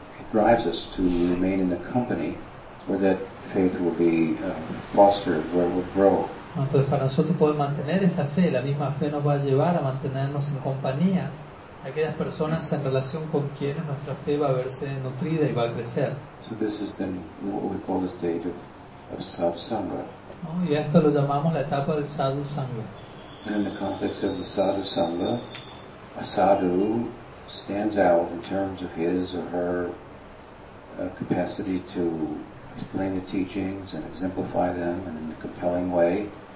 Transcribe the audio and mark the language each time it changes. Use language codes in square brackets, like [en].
[en] drives us to remain in the company where that faith will be fostered, where it will grow. [es] Entonces, para nosotros poder mantener esa fe, la misma fe nos va a llevar a mantenernos en compañía aquellas personas en relación con quienes nuestra fe va a verse nutrida y va a crecer. [en] So this is then what we call the stage of sadhu sangha. [es] ¿No? Y esto lo llamamos la etapa del sadhu sangha. [en] And in the context of the sadhu sangha, a sadhu stands out in terms of his or her capacity to explain the teachings and exemplify them and in a compelling way.